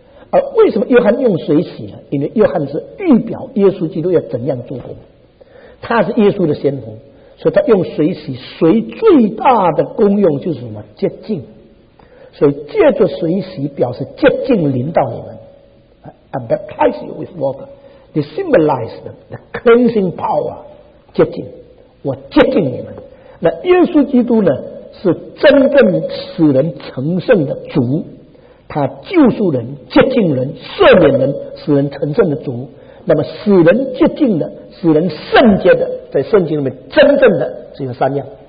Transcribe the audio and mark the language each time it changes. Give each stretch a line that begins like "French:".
Chinese: 而为什么约翰用水洗呢？因为约翰是预表耶稣基督要怎样做工，他是耶稣的先锋，所以他用水洗。水最大的功用就是什么？洁净。所以借着水洗表示洁净临到你们。
English: I baptize you with water, they symbolize the cleansing power,
Chinese: 洁净，我洁净你们。那耶稣基督呢，是真正使人成圣的主，他救赎人，洁净人，赦免人，使人成圣的主。那么使人洁净的，使人圣洁的，在圣经里面真正的只有三样。